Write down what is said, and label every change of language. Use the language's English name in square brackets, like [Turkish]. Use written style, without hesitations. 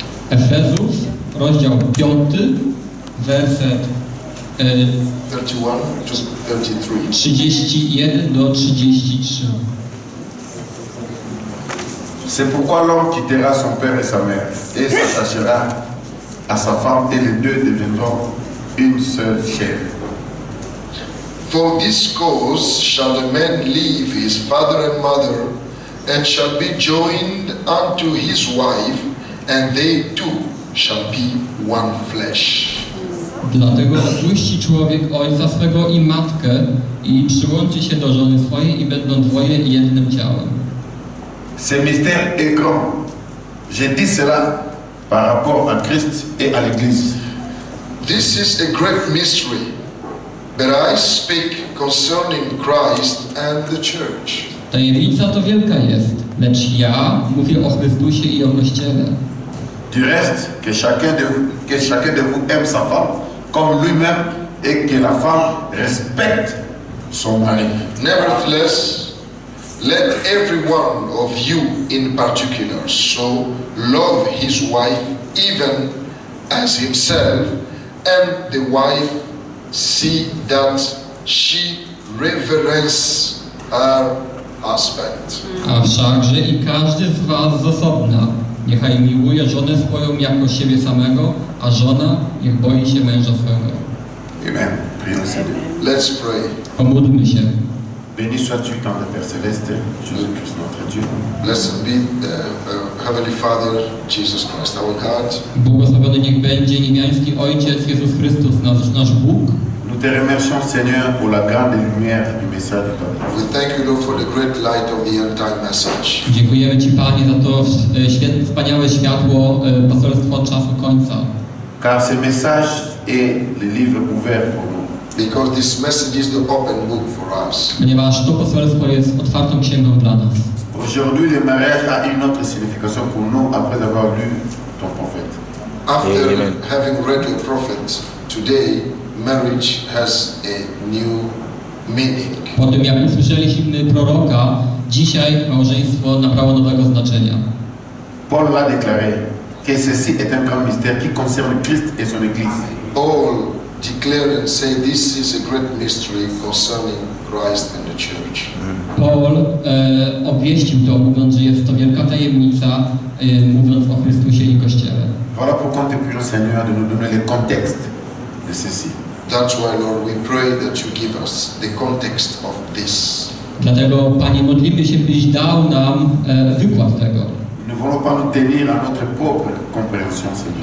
[French] Ephésiens, rozdział 5, verset 31-33. C'est pourquoi l'homme quittera son père et sa mère et s'attachera à sa femme et les deux deviendront une seule chair. [English] For this cause shall a man leave his father and mother and shall be joined unto his wife and they two shall be one flesh. [Polish] Dlatego opuści człowiek ojca swego i matkę i przyłączy się do żony swojej i będą dwoje jednym ciałem. [French] Ce mystère est grand. Je dis cela par rapport à Christ et à l'Église. [English] This is a great mystery, but I speak concerning Christ and the Church. [Polish] Tajemnica to wielka jest, lecz ja mówię o Chrystusie i o Kościele. [French] Du reste, que chacun de vous aime sa femme comme lui-même et que la femme respecte son mari. [English] Nevertheless, let every one of you in particular so love his wife even as himself, and the wife see that she reverence her husband. [Polish] A wszakże i każdy z was z osobna niechaj miłuje żonę swoją jako siebie samego, a żona niech boi się męża swego. Amen. [English] Let's pray. [Polish] Pomódlmy się. [French] Béni sois-tu, Tendre Père Céleste, Jésus Christ, notre Dieu. [English] Blessed be the Heavenly Father, Jesus Christ, our God. [Polish] Błogosławiony niech będzie niebiański Ojciec, Jezus Chrystus, nasz Bóg. [French] Nous te remercions, Seigneur, pour la grande lumière du message de ta vie. [English] We thank you, Lord, for the great light of the end time message. [Polish] Dziękujemy Ci, Panie, za to wspaniałe światło pastorstwa czasu końca. [French] Car ce message est le livre ouvert pour nous. [English] Because this message is the open book for us. [Polish] Ponieważ to pastorstwo jest otwartą księgą dla nas. [French] Aujourd'hui, le mariage a une autre signification pour nous après avoir lu ton prophète. [English] After Amen. Having read your prophet, today marriage has a new meaning. [Polish] Po tym, jak usłyszeliśmy proroka, dzisiaj małżeństwo nabrało nowego znaczenia. [French] Paul l'a déclaré que ceci est un grand mystère qui concerne Christ et son Église. [English] Paul declared and said, "This is a great mystery concerning Christ and the Church." [Polish] Paul obwieścił to, mówiąc, że jest to wielka tajemnica, mówiąc o Chrystusie i Kościele. [French] Voilà pourquoi nous prions, Seigneur, de nous donner le contexte de ceci. [English] That's why, Lord, we pray that you give us the context of this. [Polish] Dlatego, Panie, modlimy się, byś dał nam wykład tego. [French] Nous ne voulons pas nous tenir à notre propre compréhension, Seigneur.